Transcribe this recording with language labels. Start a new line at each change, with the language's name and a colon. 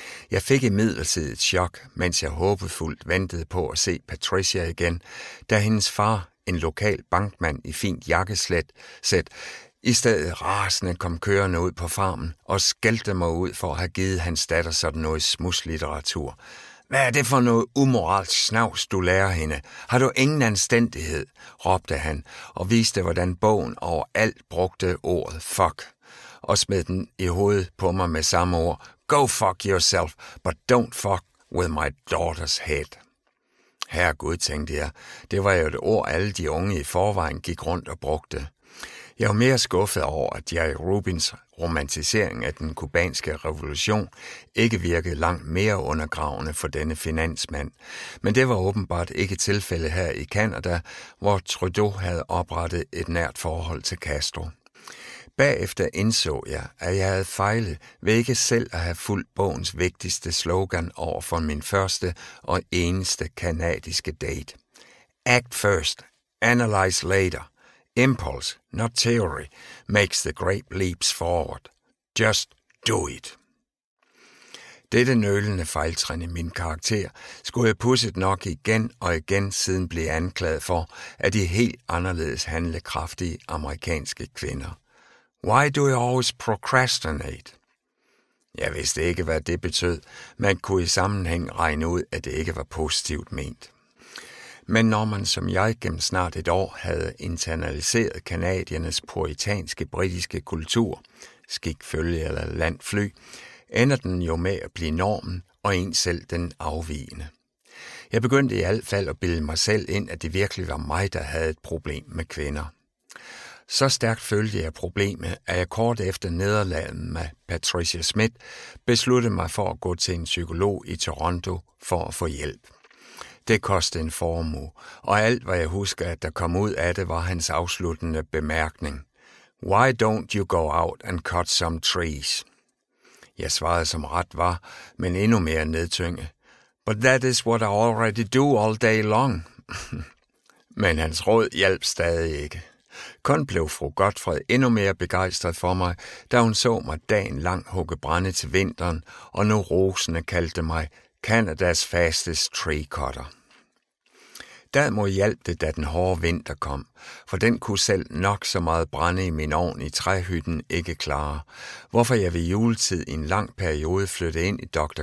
Danish: Jeg fik imidlertid et chok, mens jeg håbefuldt ventede på at se Patricia igen, da hendes far, en lokal bankmand i fint jakkeslæt, sæt i stedet rasende kom kørende ud på farmen og skældte mig ud for at have givet hans datter sådan noget smuslitteratur. Hvad er det for noget umoralsk snavs, du lærer hende? Har du ingen anstændighed? Råbte han og viste, hvordan bogen overalt brugte ordet fuck og smed den i hovedet på mig med samme ord.
English: Go fuck yourself, but don't fuck with my daughter's head.
Danish: Herregud, tænkte jeg, det var jo et ord, alle de unge i forvejen gik rundt og brugte. Jeg var mere skuffet over, at Jerry Rubins romantisering af den kubanske revolution ikke virkede langt mere undergravende for denne finansmand. Men det var åbenbart ikke tilfælde her i Canada, hvor Trudeau havde oprettet et nært forhold til Castro. Bagefter indså jeg, at jeg havde fejlet ved ikke selv at have fulgt bogens vigtigste slogan over for min første og eneste kanadiske date.
English: Act first, analyze later. Impulse, not theory, makes the great leaps forward. Just do it.
Danish: Dette nølende fejltrin i min karakter skulle jeg pudset nok igen og igen siden blive anklaget for af de helt anderledes handlekraftige amerikanske kvinder.
English: Why do you always procrastinate?
Danish: Jeg vidste ikke, hvad det betød. Man kunne i sammenhæng regne ud, at det ikke var positivt ment. Men når man som jeg gennem snart et år havde internaliseret kanadiernes puritanske britiske kultur, skik, følge eller landfly, ender den jo med at blive normen og en selv den afvigende. Jeg begyndte i alt fald at bilde mig selv ind, at det virkelig var mig, der havde et problem med kvinder. Så stærkt følte jeg problemet, at jeg kort efter nederlaget med Patricia Smith besluttede mig for at gå til en psykolog i Toronto for at få hjælp. Det kostede en formue, og alt, hvad jeg husker, at der kom ud af det, var hans afsluttende bemærkning.
English: Why don't you go out and cut some trees?
Danish: Jeg svarede som ret var, men endnu mere nedtynget.
English: But that is what I already do all day long.
Danish: Men hans råd hjalp stadig ikke. Kun blev fru Godfred endnu mere begejstret for mig, da hun så mig dagen lang hugge brænde til vinteren, og nu rosende kaldte mig
English: Canada's fastest tree cutter.
Danish: Derimod hjalp det, da den hårde vinter kom, for den kunne selv nok så meget brænde i min ovn i træhytten ikke klare, hvorfor jeg ved juletid i en lang periode flyttede ind i Dr.